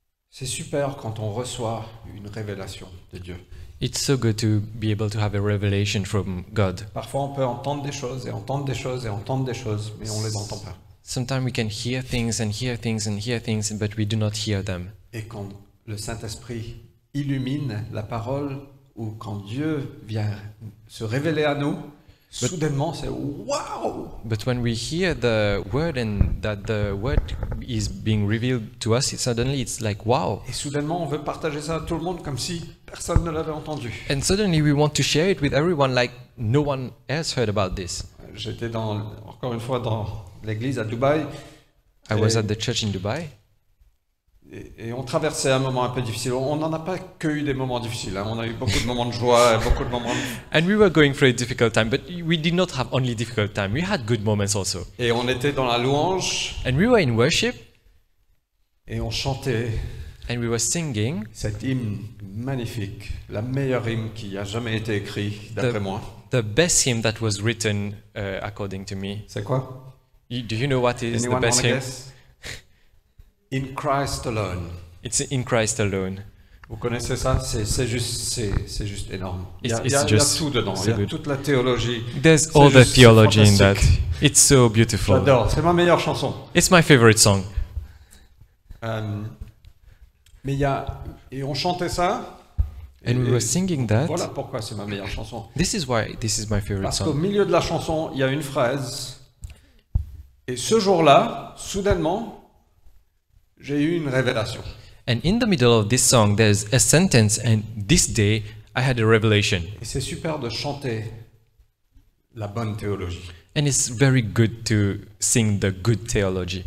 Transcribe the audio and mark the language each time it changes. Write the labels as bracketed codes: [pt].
[fr] C'est super quand on reçoit une révélation de Dieu. [en] It's so good to be able to have a revelation from God. [fr] Parfois on peut entendre des choses et entendre des choses et entendre des choses, mais on les entend pas. [en] Sometimes we can hear things and hear things and hear things, but we do not hear them. [fr] Et quand le Saint-Esprit illumine la parole ou quand Dieu vient se révéler à nous, but, soudainement c'est wow! [en] But when we hear the word and that the word is being revealed to us, suddenly it's like wow! [fr] Et soudainement on veut partager ça à tout le monde comme si personne ne l'avait entendu. [en] And suddenly we want to share it with everyone like no one else heard about this. [fr] J'étais dans, encore une fois dans l'église à Dubaï. [en] I was at the church in Dubai. [fr] Et on traversait un moment un peu difficile. On n'en a pas que eu des moments difficiles. Hein. On a eu beaucoup de moments de joie, beaucoup de moments. [en] And we were going through a difficult time, but we did not have only difficult time. We had good moments also. [fr] Et on était dans la louange. [en] And we were in worship. [fr] Et on chantait. [en] And we were singing. [fr] Cet hymne magnifique, la meilleure hymne qui a jamais été écrite, d'après moi. [en] The best hymn that was written, according to me. [fr] C'est quoi? [en] Do you know what is Anyone the best hymn? Guess? In Christ alone. It's in Christ alone. [fr] Vous connaissez ça? C'est juste énorme. Il y a tout dedans. Il y a toute la théologie. [en] There's [fr] c'est [en] all the theology in that. It's so beautiful. [fr] J'adore. C'est ma meilleure chanson. [en] It's my favorite song. [fr] Et on chantait ça. [en] And we were singing that. [fr] Voilà pourquoi c'est ma meilleure chanson. [en] This is why this is my favorite [fr] Parce [en] song. [fr] Parce qu'au milieu de la chanson, il y a une phrase. Et ce jour-là, soudainement. J'ai eu une révélation. [en] And in the middle of this song, there's a sentence, and this day, I had a revelation. [fr] Et c'est super de chanter la bonne théologie. [en] And it's very good to sing the good theology.